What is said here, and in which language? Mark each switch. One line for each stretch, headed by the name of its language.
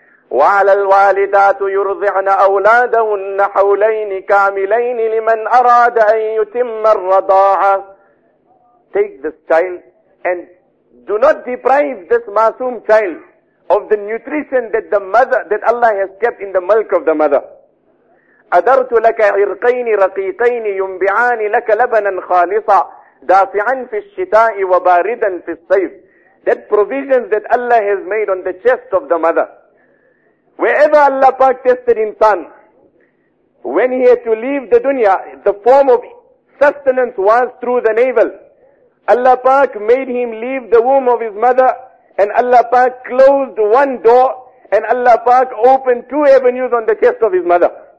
Arabic: وَعَلَى الْوَالِدَاتُ يُرْضِعْنَ أَوْلَادَهُنَّ حَوْلَيْنِ كَامِلَيْنِ لِمَنْ أَرَادَ أَن يُتِمَّ الرَّضَاعَ
English: Take this child and do not deprive this masoom child of the nutrition that the mother, that Allah has kept in the milk of the mother.
Arabic: أَدَرْتُ لَكَ عِرْقَيْنِ رَقِيقَيْنِ يُنْبِعَانِ لَكَ لَبَنًا خَالِصًا دَافِعًا فِي الشِّتَاءِ وَبَارِدًا فِي الصَّيْفِ
English: That provisions that Allah has made on the chest of the mother. Wherever Allah Pak tested insan, when he had to leave the dunya, the form of sustenance was through the navel. Allah Pak made him leave the womb of his mother, and Allah Pak closed one door, and Allah Pak opened two avenues on the chest of his mother.